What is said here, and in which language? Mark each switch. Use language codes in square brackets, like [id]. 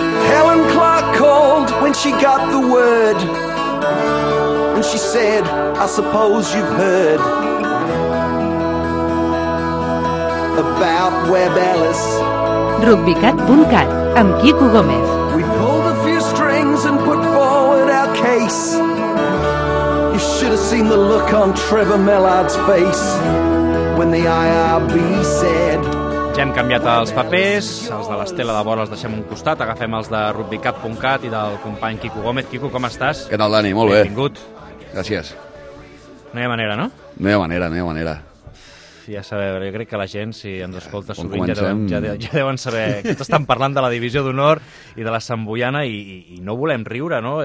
[en] Helen Clark called when she got the word. And she said, I suppose you've heard about Web Ellis. [ca] Rugbycat.cat, amb Quico Gómez. [en] We pulled a few strings and put forward our case. You should have seen the look on Trevor Mellard's face when the IRB said... [ca] Ja hem canviat els papers, els de l'Estela de Bora els deixem un costat, agafem els de rugbycat.cat i del company Quico Gómez. Quico, com estàs? Què tal, Dani? Molt benvingut. Bé. Gràcies. No hi ha manera, no? No hi ha manera, no hi ha manera. Ja sabeu, jo crec que la gent, si ens escolta sovint, ja deuen saber que tots estan parlant de la Divisió d'Honor i de la Santboiana i no volem riure, no?